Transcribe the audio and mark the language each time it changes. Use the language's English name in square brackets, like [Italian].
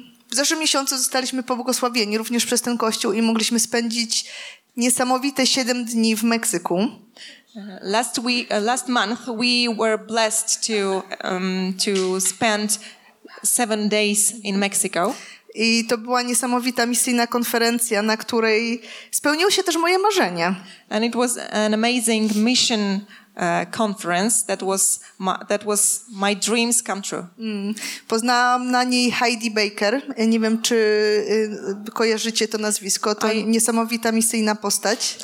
[Polish] W zeszłym miesiącu zostaliśmy pobłogosławieni również przez ten kościół i mogliśmy spędzić niesamowite 7 dni w Meksyku. [English] Last month we were blessed to spend 7 days in Mexico. [Polish] I to była niesamowita misyjna konferencja, na której spełniło się też moje marzenie. [English] And it was an amazing mission conference that was my dreams come true. [Polish] Poznałam na niej Heidi Baker. Nie wiem, czy kojarzycie to nazwisko. To niesamowita misyjna postać.